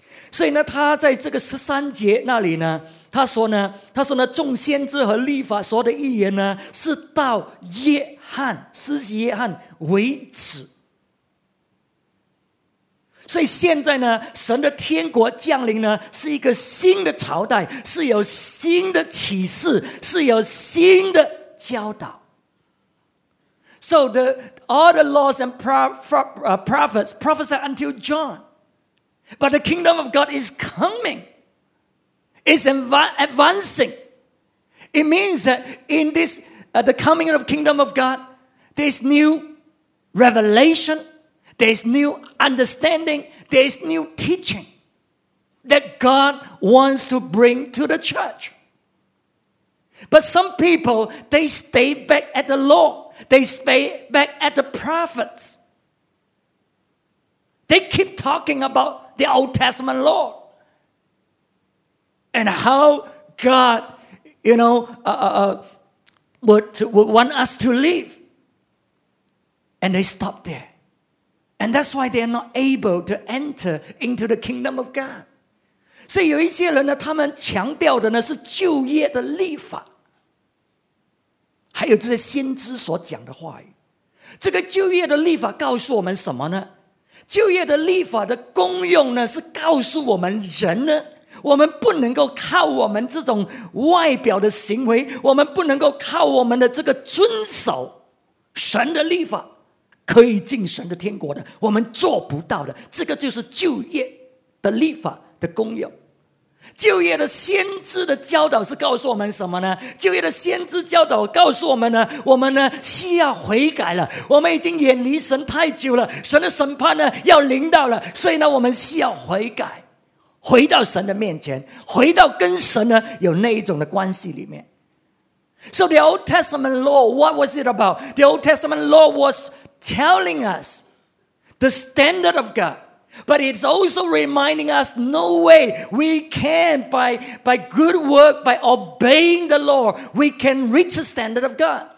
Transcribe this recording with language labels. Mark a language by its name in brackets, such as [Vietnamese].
[Chinese] 所以呢，他在这个十三节那里呢，他说呢，众先知和律法所的预言呢，是到约翰，施洗约翰为止。所以现在呢，神的天国降临呢，是一个新的朝代，是有新的启示，是有新的教导。 [English] So all the laws and prophets prophesied until John. But the kingdom of God is coming. It's advancing. It means that in this, the coming of the kingdom of God, there's new revelation, there's new understanding, there's new teaching that God wants to bring to the church. But some people, they stay back at the law. They stay back at the prophets. They keep talking aboutThe Old Testament law. And how God, you know, would want us to live. And they stop there. And that's why they're not able to enter into the kingdom of God. [Chinese] 所以有一些人呢，他们强调的呢是旧约的律法，还有这些先知所讲的话语。这个旧约的律法告诉我们什么呢？旧约的律法的功用呢，是告诉我们人呢，我们不能够靠我们这种外表的行为，我们不能够靠我们的这个遵守神的律法可以进神的天国的，我们做不到的。这个就是旧约的律法的功用。旧约的先知的教导是告诉我们什么呢？旧约的先知教导告诉我们呢，我们呢需要悔改了，我们已经远离神太久了，神的审判呢要临到了，所以呢我们需要悔改，回到神的面前，回到跟神呢有那一种的关系里面。 [English] So the Old Testament law, what was it about? The Old Testament law was telling us the standard of GodBut it's also reminding us, no way we can, by good work, by obeying the law, we can reach the standard of God.